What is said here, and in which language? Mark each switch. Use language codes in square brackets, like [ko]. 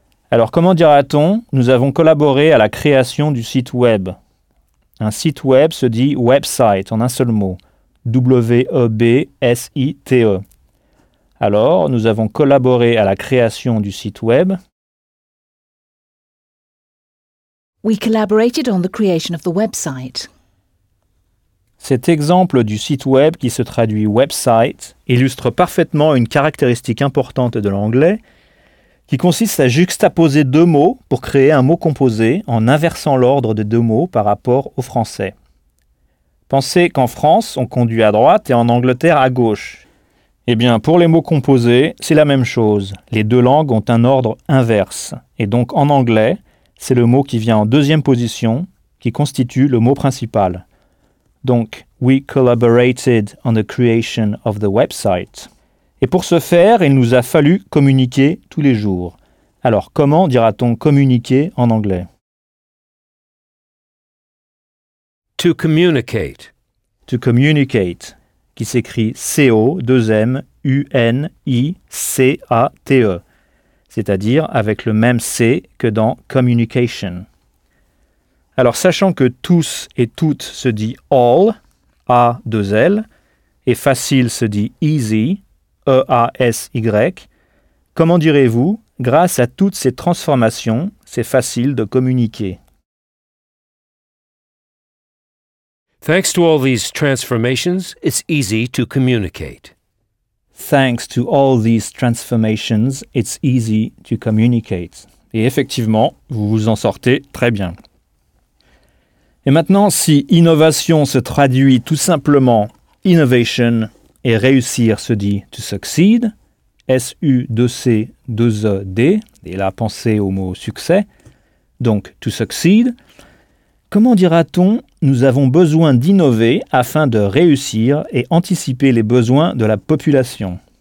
[fr] Alors comment dira-t-on nous avons collaboré à la création du site web? Un site web se dit website en un seul mot. W-E-B-S-I-T-E. Alors, nous avons collaboré à la création du site web. [en] We collaborated on the creation of the website. [fr] Cet exemple du site web qui se traduit website illustre parfaitement une caractéristique importante de l'anglais qui consiste à juxtaposer deux mots pour créer un mot composé en inversant l'ordre des deux mots par rapport au français. Pensez qu'en France, on conduit à droite et en Angleterre à gauche. Eh bien, pour les mots composés, c'est la même chose. Les deux langues ont un ordre inverse. Et donc, en anglais, c'est le mot qui vient en deuxième position, qui constitue le mot principal. [en] Donc, we collaborated on the creation of the website. [fr] Et pour ce faire, il nous a fallu communiquer tous les jours. Alors, comment dira-t-on communiquer en anglais? [en] To communicate. To communicate. [fr] Qui s'écrit C-O-2-M-U-N-I-C-A-T-E, c'est-à-dire avec le même C que dans communication. Alors, sachant que tous et toutes se dit all, A-2-L, et facile se dit easy, E-A-S-Y, comment direz-vous, grâce à toutes ces transformations, c'est facile de communiquer? [en] Thanks to all these transformations, it's easy to communicate. Thanks to all these transformations, it's easy to communicate. [fr] Et effectivement, vous vous en sortez très bien. Et maintenant, si innovation se traduit tout simplement innovation et réussir se dit to succeed, S-U-C-2-E-D, et là, pensez au mot succès, donc to succeed, comment dira-t-on nous avons besoin d'innover afin de réussir et anticiper les besoins de la population?